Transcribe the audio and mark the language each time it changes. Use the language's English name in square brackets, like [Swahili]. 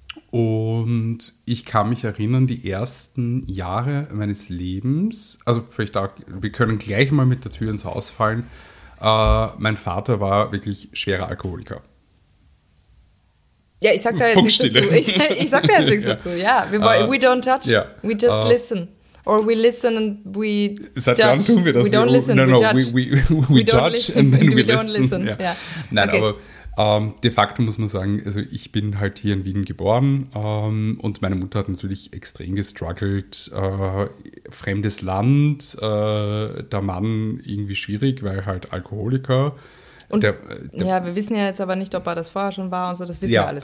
[German] Und ich kann mich erinnern, die ersten Jahre meines Lebens, also vielleicht da, wir können gleich mal mit der Tür ins Haus fallen, mein Vater war wirklich schwerer Alkoholiker. Ja, ich sag da jetzt nichts dazu. Ich sag da jetzt nichts dazu. [English] Ja, we don't judge, we just listen. Or we listen and we judge. [German] Seit wann tun wir das? [English] We don't listen, we judge and then we listen. [German] Ja. Nein, okay. Aber... de facto muss man sagen, also ich bin halt hier in Wien geboren und meine Mutter hat natürlich extrem gestruggelt. Fremdes Land, der Mann irgendwie schwierig, weil halt Alkoholiker. Und wir wissen ja jetzt aber nicht, ob er das vorher schon war und so, das wissen wir alles.